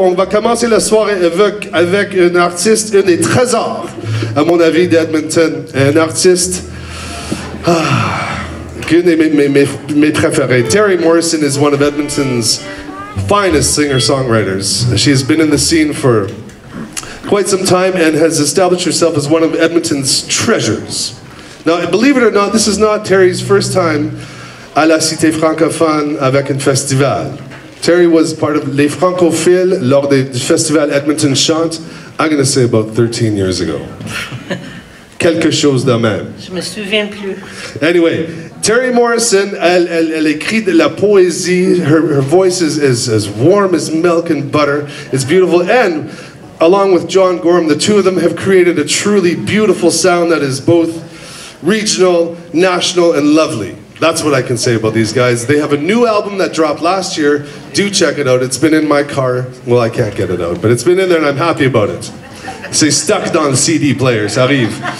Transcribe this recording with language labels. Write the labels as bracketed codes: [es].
[fr] On va commencer la soirée avec un artiste, un des trésors, à mon avis, d'Edmonton. Un artiste qui est mes préférés. [en] Terry Morrison is one of Edmonton's finest singer-songwriters. She's been in the scene for quite some time and has established herself as one of Edmonton's treasures. Now, believe it or not, this is not Terry's first time [fr] à la Cité Francophone avec un festival. [en] Terry was part of Les Francophiles [fr] lors du festival [en] Edmonton Chant, I'm going to say about 13 years ago. [fr] Quelque chose de même. Je me souviens plus. Anyway, Terry Morrison, elle écrit de la poésie. [en] Her voice is as warm as milk and butter. It's beautiful. And along with John Gorham, the two of them have created a truly beautiful sound that is both regional, national, and lovely. That's what I can say about these guys. They have a new album that dropped last year. Do check it out. It's been in my car. Well, I can't get it out, but it's been in there and I'm happy about it. [fr] C'est stuck dans CD players, arrive.